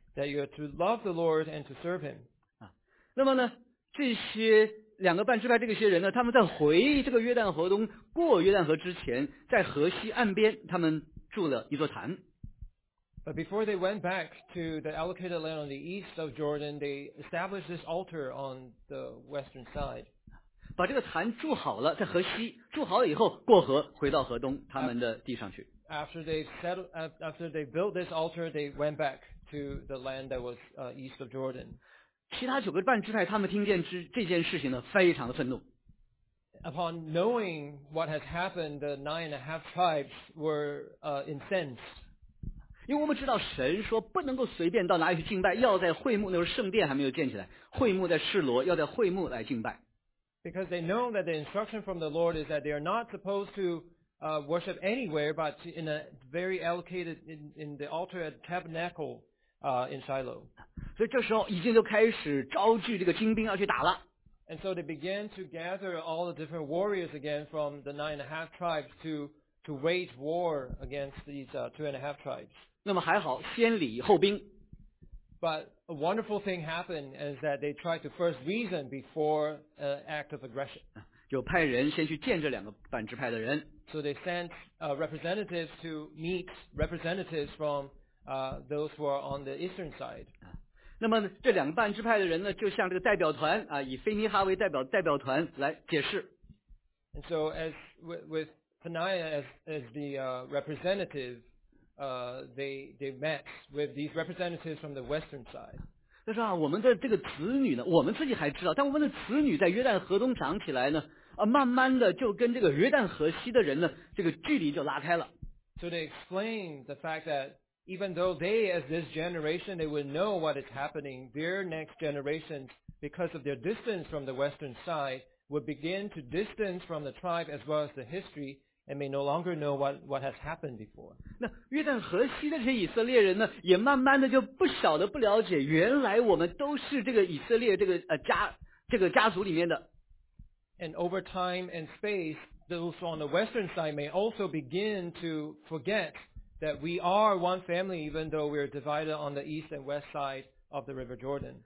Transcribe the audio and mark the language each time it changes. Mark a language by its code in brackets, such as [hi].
[en] That you are to love the Lord and to serve Him. [zh] 那么呢，这些两个半支派这些人呢，他们在回这个约旦河东，过约旦河之前，在河西岸边，他们筑了一座坛。 [en] But before they went back to the allocated land on the east of Jordan, they established this altar on the western side. [zh] 把这个坛筑好了，在河西筑好了以后，过河回到河东他们的地上去。 [en] After they built this altar, they went back. To the land that was east of Jordan. [zh] 其他九个半支派他们听见这件事情呢，非常的愤怒。 [en] Upon knowing what has happened, the nine and a half tribes were incensed. [zh] 因为我们知道神说不能够随便到哪里去敬拜，要在会幕，那时候圣殿还没有建起来，会幕在示罗，要在会幕来敬拜。 [en] Because they know that the instruction from the Lord is that they are not supposed to worship anywhere, but in a very allocated in the altar at Tabernacle. In Shiloh. [zh] 所以这时候已经就开始招聚这个精兵要去打了。 [en] And so they began to gather all the different warriors again from the nine and a half tribes to wage war against these two and a half tribes. [zh] 那么还好，先礼后兵。 [en] But a wonderful thing happened is that they tried to first reason before an act of aggression. [zh] 就派人先去见这两个反支派的人。 [en] So they sent representatives to meet representatives from those who are on the eastern side. [zh] 那么这两个半支派的人呢，就像这个代表团啊，以腓尼哈为代表团来解释。 [en] And so as with Peniah as the representative, they met with these representatives from the western side. [zh] 他说啊，我们的这个子女呢，我们自己还知道，但我们的子女在约旦河东长起来呢，啊，慢慢的就跟这个约旦河西的人呢，这个距离就拉开了。 [en] So they explain the fact that. Even though they, as this generation, they would know what is happening, their next generations, because of their distance from the western side, would begin to distance from the tribe as well as the history, and may no longer know what has happened before. [zh] 那约旦河西的这些以色列人呢，也慢慢的就不晓得不了解，原来我们都是这个以色列这个家族里面的。 [en] And over time and space, those on the western side may also begin to forget. That we are one family, even though we are divided on the east and west side of the River Jordan.